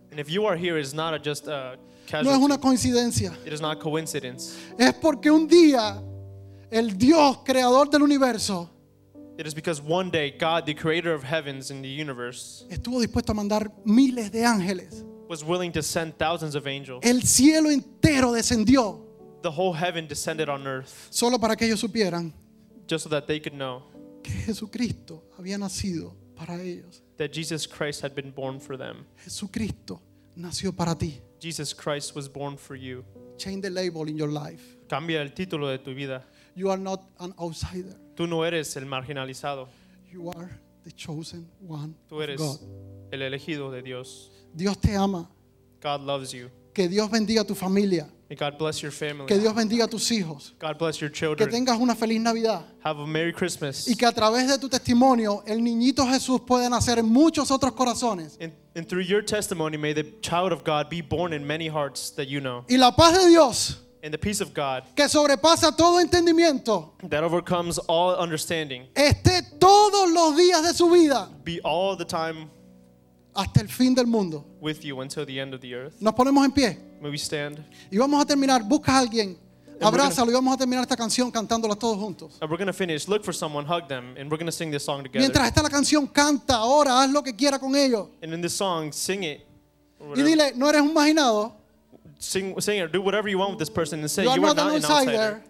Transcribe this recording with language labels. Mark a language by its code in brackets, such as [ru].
[en] And if you are here, it's not just a casual. [es] No es una coincidencia. [en] It is not coincidence. [es] Es porque un día el Dios creador del universo, [en] it is because one day God, the creator of heavens and the universe, [es] estuvo dispuesto a mandar miles de ángeles, [en] was willing to send thousands of angels. [es] El cielo entero descendió, [en] the whole heaven descended on earth, [es] solo para que ellos supieran, [en] just so that they could know, [es] que Jesucristo había nacido para ellos, [en] that Jesus Christ had been born for them. [es] Jesucristo nació para ti. [en] Jesus Christ was born for you. Change the label in your life. [es] Cambia el título de tu vida. [en] You are not an outsider. [es] Tú no eres el marginalizado. [en] You are the chosen one. [es] Tú eres el elegido de Dios. Dios te ama. [en] God loves you. [es] Que Dios bendiga tu familia. [en] May God bless your family. [es] Que Dios bendiga tus hijos. [en] God bless your children. [es] Que tengas una feliz Navidad. [en] Have a Merry Christmas. [es] Y que a través de tu testimonio el niñito Jesús pueda nacer en muchos otros corazones. [en] And through your testimony may the child of God be born in many hearts that you know. [es] Y la paz de Dios, [en] and the peace of God, [es] que sobrepasa todo entendimiento, [en] that overcomes all understanding, [es] esté todos los días de su vida, [en] be all the time, [es] hasta el fin del mundo, [en] with you until the end of the earth. [es] Nos ponemos en pie. [en] May we stand. [es] Y vamos a terminar. Busca a alguien, abrázalo, y vamos a terminar esta canción cantándola todos juntos. [en] And we're going to finish. Look for someone, hug them, and we're going to sing this song together. [es] Mientras está la canción, canta ahora, haz lo que quiera con ellos. [en] And in this song, sing it. [es] Y dile, no eres un marginado. [en] Sing or do whatever you want with this person and say you are not an outsider.